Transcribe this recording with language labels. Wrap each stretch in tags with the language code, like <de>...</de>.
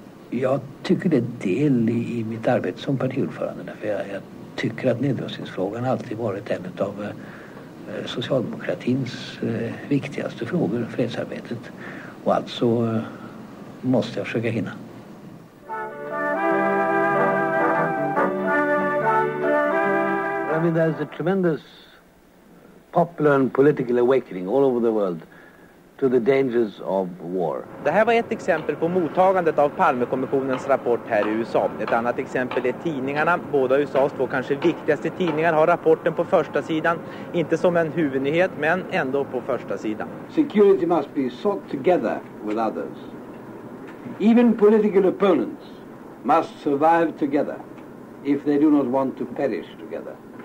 <sv>Jag tycker det är del i mitt arbete som partiordförande, för jag tycker att nedrustningsfrågan alltid varit en av socialdemokratins viktigaste frågor, fredsarbetet. Och alltså måste jag försöka hinna.</sv> <en>I mean, there's a tremendous popular and political awakening all over the world to the dangers of war.</en> <sv>Det här var ett exempel på mottagandet av Palmekommissionens rapport här i USA. Ett annat exempel är tidningarna. Båda USAs två kanske viktigaste tidningar har rapporten på första sidan. Inte som en huvudnyhet, men ändå på första sidan.</sv> <en>Security must be sought together with others. Even political opponents must survive together if they do not want to perish together.</en>